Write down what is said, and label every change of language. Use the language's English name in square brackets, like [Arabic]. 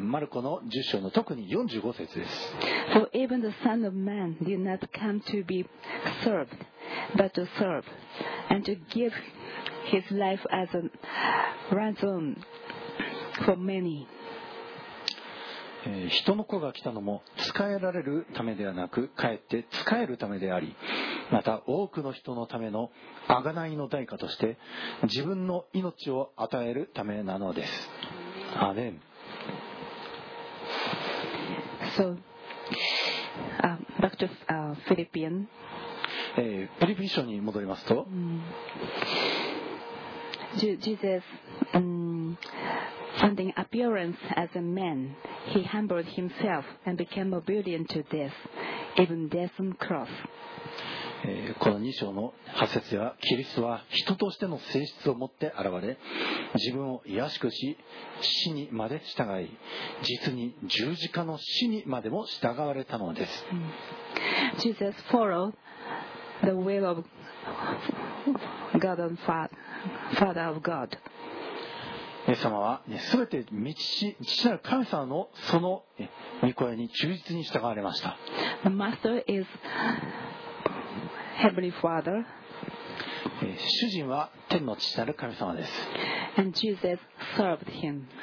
[Japanese] マルコの10章の特に45節です。 [English] For even the Son of Man did not come to be served, but to serve, and to give his life as a ransom for many. [Japanese] 人の子が来たのも使えられるためではなく、かえって使えるためであり、また多くの人のための贖いの代価として、自分の命を与えるためなのです。アメン。 [English] So, back to Philippians. [Japanese] フィリピン書に戻りますと、 [English] Jesus, finding appearance as a man, he humbled himself and became obedient to death, even death on cross. [Japanese] この2章の8節では、キリストは人としての性質を持って現れ、自分を卑しくし、死にまで従い、実に十字架の死にまでも従われたのです。 [English] Jesus followed the will of God and Father of God. [Japanese] イエス様は、すべて父なる神様のその御声に忠実に従われました。 [English] The master is Heavenly Father. [Japanese] 主人は天の父なる神様です。 [English] And Jesus served him.